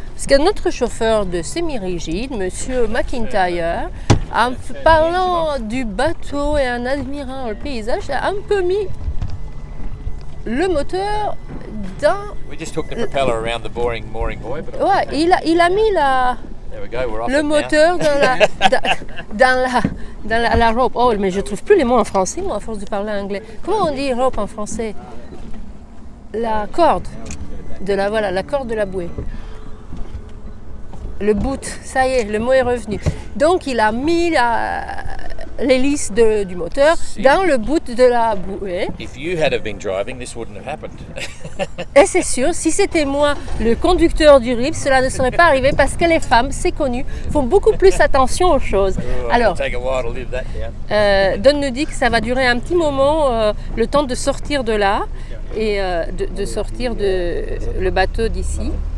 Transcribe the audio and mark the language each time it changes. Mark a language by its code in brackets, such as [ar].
[fr] Parce que notre chauffeur de semi-rigide, Monsieur McIntyre, en parlant du bateau et en admirant le paysage, a un peu mis le moteur dans... [en] We just took the propeller around the mooring buoy. But [fr] ouais, il a mis la... [en] There we go, we're off [fr] le moteur dans la, dans la rope. Oh, mais je trouve plus les mots en français, moi, à force de parler anglais. Comment on dit rope en français? La corde. La corde de la bouée. Le boot, ça y est, le mot est revenu. Donc, il a mis l'hélice du moteur dans le boot de la bouée. [en] If you had have been driving, this wouldn't have happened. [fr] Et c'est sûr, si c'était moi le conducteur du RIP, cela ne serait pas arrivé parce que les femmes, c'est connu, font beaucoup plus attention aux choses. Alors, Don nous dit que ça va durer un petit moment, le temps de sortir de là et de sortir de le bateau d'ici.